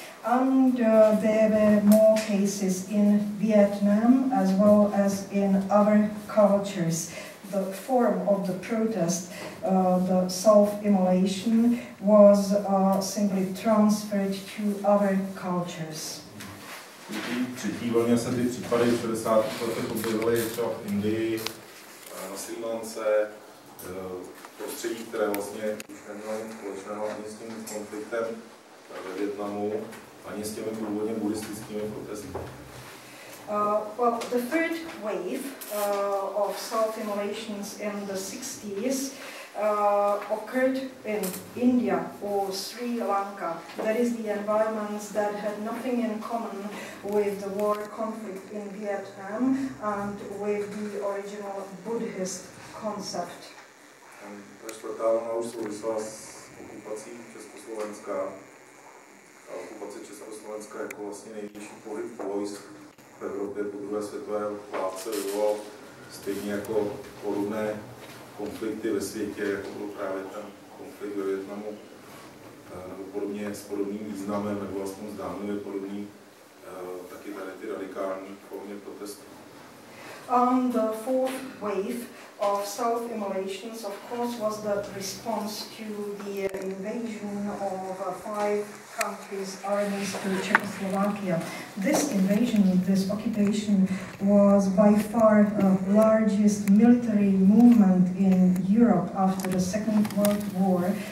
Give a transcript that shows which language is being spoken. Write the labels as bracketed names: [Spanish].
[English] And there were more cases in Vietnam as well as in other cultures. The form of the protest, the self-immolation, was simply transferred to other cultures. [Czech] Třetí vlně se ty případy v 60. letech objevily třeba v Indii, na Sri Lance, prostředí, které vlastně už nemělo nic společného ani s tím konfliktem ve Vietnamu, ani s těmi původně buddhistickými protesty. [English] The third wave of self-immolations in the 60s occurred in India or Sri Lanka. That is the environments that had nothing in common with the war conflict in Vietnam and with the original Buddhist concept. [Czech] Ta čtvrtá vlna už souvisela s okupací Československa. Okupace Československa jako vlastně největší pohyb vojsk v Evropě po druhé světové válce vyvolal stejně jako podobné konflikty ve světě, jako byl právě ten konflikt ve Vietnamu, nebo podobně s podobným významem, nebo aspoň zdánlivě podobný, taky tady ty radikální formy protestů. [English] On the fourth wave of self-immolations, of course, was the response to the invasion of five countries' armies to Czechoslovakia. This invasion, this occupation, was by far the largest military movement in Europe after the Second World War